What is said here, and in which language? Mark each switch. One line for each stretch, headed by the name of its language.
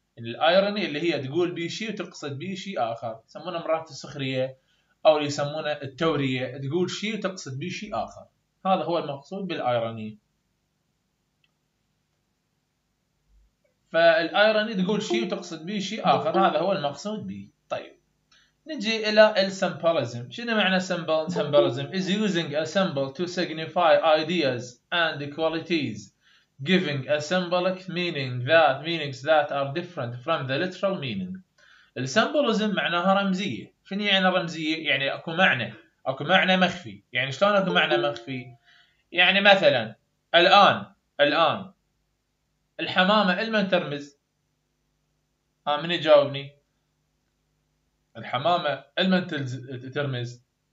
Arabic: الايروني اللي هي تقول به شيء وتقصد به شيء آخر، يسمونه مرات السخرية، أو اللي يسمونه التورية، تقول شيء وتقصد به شيء آخر، هذا هو المقصود بالايروني. فالايروني تقول شيء وتقصد به شيء اخر، هذا هو المقصود به. طيب نجي الى السمبوليزم، شنو معنى سمبوليزم؟
English: is using a symbol to signify ideas and qualities giving a symbolic meaning that meanings that are different from the literal meaning.
Arabic: السمبوليزم معناها رمزيه، شنو يعني رمزيه؟ يعني اكو معنى، اكو معنى مخفي. يعني شلون اكو معنى مخفي؟ يعني مثلا الان، الان الحمامة لمن ترمز؟ ها من يجاوبني؟ الحمامة لمن ترمز؟